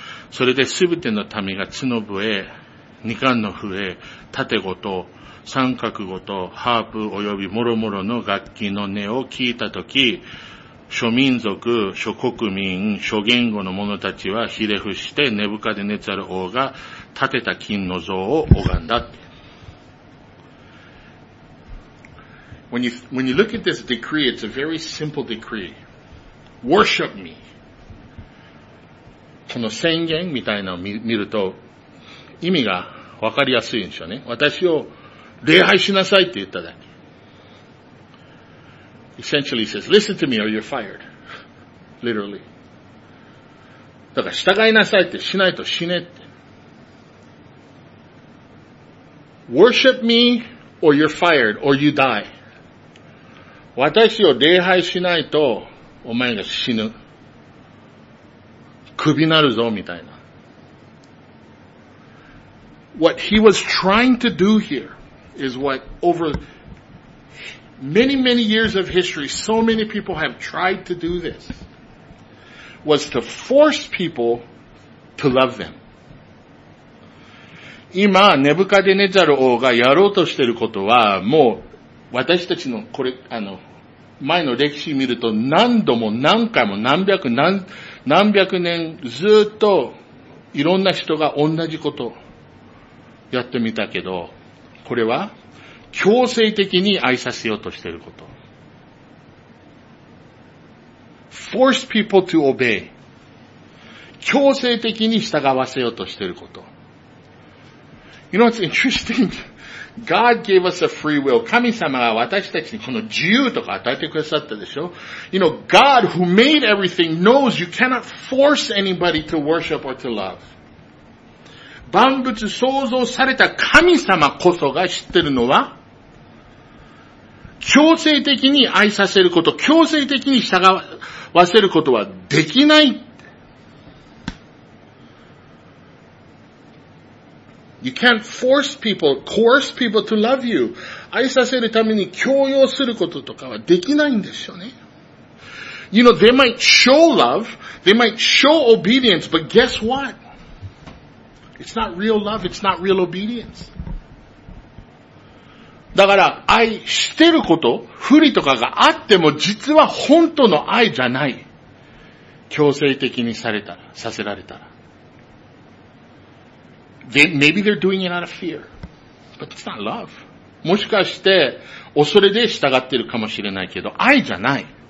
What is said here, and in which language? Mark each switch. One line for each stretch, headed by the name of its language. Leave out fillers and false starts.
Japanese: それで全ての民が角笛、二冠の笛、盾ごと、三角ごと、ハープ及び諸々の楽器の音を聞いたとき、諸民族、諸国民、諸言語の者たちはひれ伏して、ネブカデネツァル王が建てた金の像を拝んだ。
English: When you look at this decree, it's a very simple decree. Worship me.
Japanese: この宣言みたいなのを見ると、意味がわかりやすいんでしょうね。私を礼拝しなさいって言っただけ。
English: Essentially he says, listen to me or you're fired. Literally.
Japanese: だから従いなさいって、しないと死ねって。
English: Worship me or you're fired or you die.
Japanese: 私を礼拝しないとお前が死ぬ。クビなるぞみたいな。
English: What he was trying to do here is what over many, many years of history, so many people have tried to do this, was to force people to love them.
Japanese: 今、ネブカデネザル王がやろうとしていることは、もう私たちのこれ、前の歴史を見ると何度も何回も何百年ずっといろんな人が同じことやってみたけど、これは強制的に愛させようとしていること。
English: Force people to obey.
Japanese: 強制的に従わせようとしていること。
English: You know, it's interesting. God gave us a free will.
Japanese: 神様が私たちにこの自由とか与えてくださったでしょ。
English: You know, God who made everything knows you cannot force anybody to worship or to love.
Japanese: 万物創造された神様こそが知ってるのは、強制的に愛させること、強制的に従わせることはできない。
English: You can't coerce people to love you.
Japanese: 愛させるために強要することとかはできないんですよね。
English: You know, they might show love, they might show obedience, but guess what? It's not real love, it's not real obedience.
Japanese: だから愛してること、不利とかがあっても実は本当の愛じゃない。強制的にされたら、させられたら。
English: Maybe they're doing it out of fear, but it's not love.
Japanese: もしかして恐れで従ってるかもしれないけど、愛じゃない。